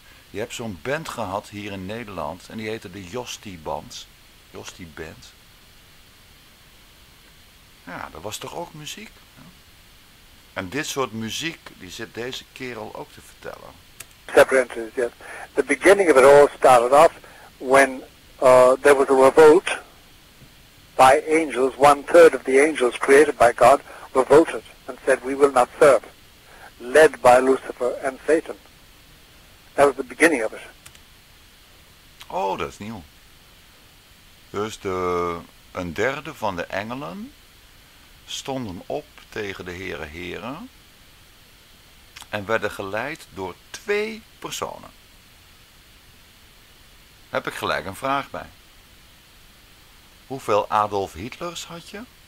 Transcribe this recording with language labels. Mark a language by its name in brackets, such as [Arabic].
[Dutch] Je hebt zo'n band gehad hier in Nederland en die heette de Jostie Band. Jostie Band. Ja, dat was toch ook muziek? Hè? En dit soort muziek, die zit deze kerel ook te vertellen. [English] Separatist, yes. The beginning of it all started off when there was a revolt by angels. One third of the angels created by God revolted and said, we will not serve. Led by Lucifer and Satan. That was the beginning of it. [Dutch] Oh, dat is nieuw. Dus een derde van de engelen stonden op tegen de Heere Heren en werden geleid door twee personen. Heb ik gelijk een vraag bij. Hoeveel Adolf Hitlers had je?